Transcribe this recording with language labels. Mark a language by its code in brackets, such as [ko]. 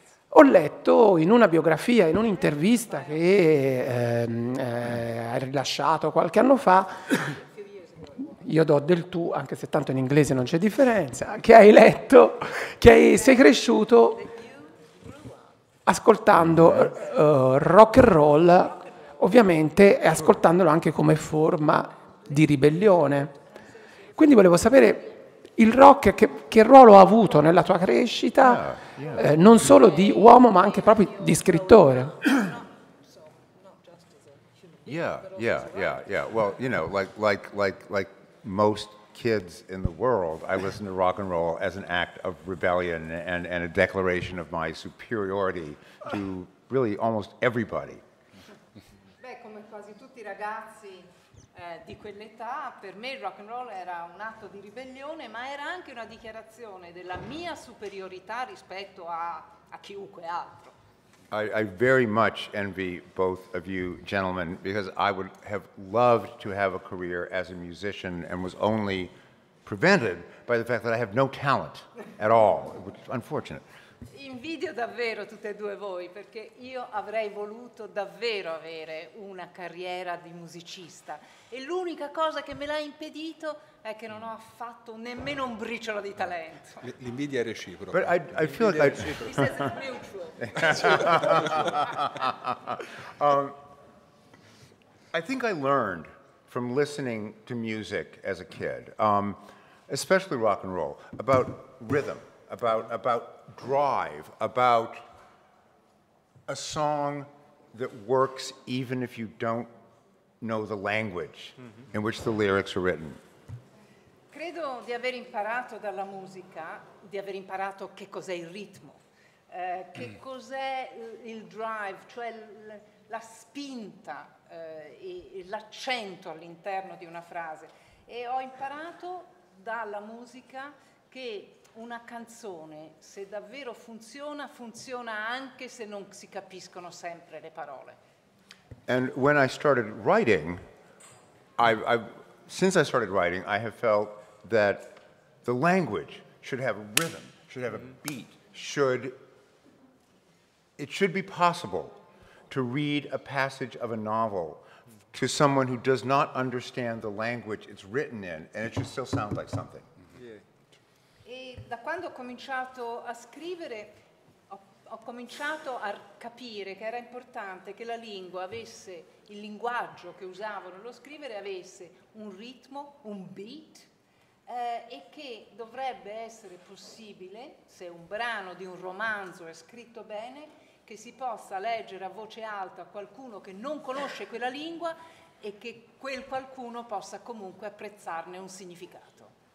[it] Ho letto in una biografia, in un'intervista che ha rilasciato qualche anno fa, io do del tu, anche se tanto in inglese non c'è differenza, che hai letto che sei cresciuto ascoltando rock and roll, ovviamente, e ascoltandolo anche come forma di ribellione. Quindi volevo sapere, il rock che ruolo ha avuto nella tua crescita, non solo di uomo, ma anche proprio di scrittore? [en] Well, you know, like most kids in the world, I listened to rock and roll as an act of rebellion and a declaration of my superiority to really almost everybody. [it] Beh, come quasi tutti i ragazzi di quell'età, per me il rock and roll era un atto di ribellione, ma era anche una dichiarazione della mia superiorità rispetto a chiunque altro. [en] I very much envy both of you gentlemen because I would have loved to have a career as a musician and was only prevented by the fact that I have no talent at all, which is unfortunate. [it] Invidio davvero tutte e due voi, perché io avrei voluto davvero avere una carriera di musicista e l'unica cosa che me l'ha impedito è che non ho affatto nemmeno un briciolo di talento. L'invidia è reciproca. [en] But I feel [it] L'invidia [en] like [it] è reciproca. [en] This is mutual. I think I learned from listening to music as a kid, especially rock and roll, about rhythm, about drive, about a song that works even if you don't know the language in which the lyrics are written. [it] Credo di aver imparato dalla musica, di aver imparato che cos'è il ritmo, che cos'è il drive, cioè la spinta, l'accento all'interno di una frase. E ho imparato dalla musica che una canzone, se davvero funziona, funziona anche se non si capiscono sempre le parole. [en] And when I started writing, since I started writing, I have felt that the language should have a rhythm, should have a beat, it should be possible to read a passage of a novel to someone who does not understand the language it's written in, and it should still sound like something. Yeah. [it] E da quando ho cominciato a scrivere, ho cominciato a capire che era importante che la lingua avesse, il linguaggio che usavano lo scrivere avesse un ritmo, un beat, e che dovrebbe essere possibile, se un brano di un romanzo è scritto bene, che si possa leggere a voce alta a qualcuno che non conosce quella lingua e che quel qualcuno possa comunque apprezzarne un significato.